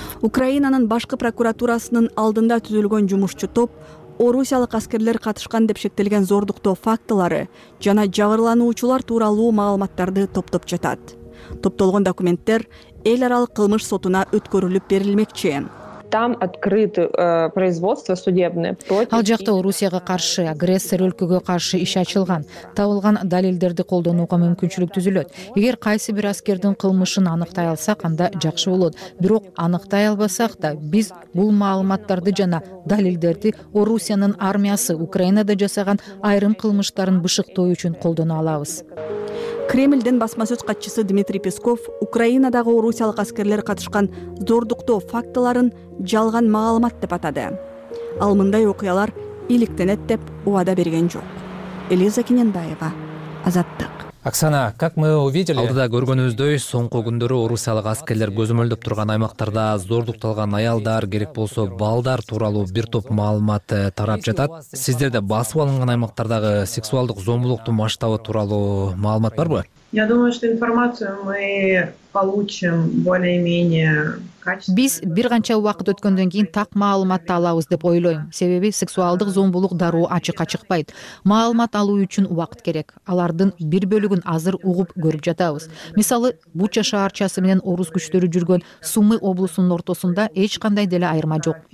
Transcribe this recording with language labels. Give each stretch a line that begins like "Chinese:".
Kyrgyz: Украинанын башкы прокуратурасынын алдында түзүлгөн жумушчу топ орусиялык аскерлер катышкан деп шектелген зордуктоо фактылары жана жабырлануучулар тууралуу маалыматтарды топтоп жатат. Топтолгон документтер эл аралык кылмыш сотуна өткөрүлүп берилмекчи.
Russian: Там открыто производство судебное против.
Kyrgyz: Ал жакта Орусияга каршы агрессор өлкөгө каршы иш ачылган. Табылган далилдерди колдонууга мүмкүнчүлүк түзүлөт. Эгер кайсы бир аскердин кылмышын аныктай алсак, анда жакшы болот. Бирок аныктай албасак да, биз бул маалыматтарды жана далилдерди Орусиянын армиясы Украинада жасаган айрым кылмыштарын бышыктоо үчүн колдоно алабыз. Кремльдин басма сөз катчысы Дмитрий Песков Украинадагы орусиялык аскерлер катышкан зордуктоо фактыларын жалган маалымат деп атады. Ал мындай окуялар иликтенет деп убада берген жок. Элиза Кененбаева, Азаттык.
Russian: Оксана, как мы увидели,
Kyrgyz: алдыда көргөнүбүздөй, соңку күндөрү орусиялык аскерлер көзөмөлдөп турган аймактарда зордукталган аялдар, керек болсо балдар тууралуу бир топ маалымат тарап жатат. Сиздерде басып алынган аймактардагы сексуалдык зомбулуктун масштабы тууралуу маалымат барбы?
Russian: Я думаю, что информацию мы получим более-менее качественно.
Kyrgyz: Биз бир канча убакыт өткөндөн кийин так маалыматты алабыз деп ойлойм. Себеби сексуалдык зомбулук дароо ачыкка чыкпайт. Маалымат алуу үчүн убакыт керек. Алардын бир бөлүгүн азыр угуп көрүп жатабыз. Мисалы, Буча шаарчасы менен орус күчтөрү жүргөн Сумы облусунун ортосунда эч кандай деле айырма жок.